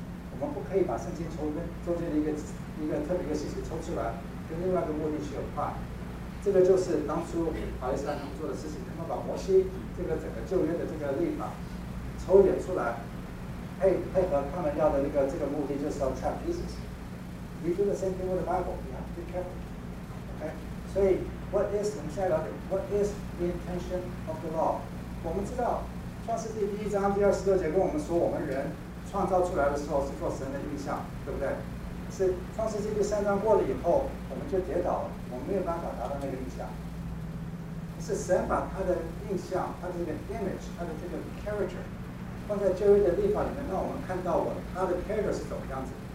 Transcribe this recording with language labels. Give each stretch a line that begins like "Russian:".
Chinese: 我们不可以把圣经从中间的一个特别的信息抽出来跟另外一个目的去有话。这个就是当初法利赛人他们做的事情，他们把摩西这个整个旧约的这个律法抽远出来，配合他们要的那个这个目的，就是要
English: trap Jesus。 We do the same thing with the Bible. We have to be careful. OK, 所以 What is
Chinese: 我们现在了解
English: What is the intention of the law?
Chinese: 我们知道创世纪第一章第二十六节跟我们说，我们人创造出来的时候是做神的意象，对不对？是创世纪第三章过了以后，我们就跌倒了，我们没有办法达到那个意象。是神把他的印象，他的这个 image， 他的这个 character 放在旧约的律法里面，让我们看到我他的 character 是怎么样子。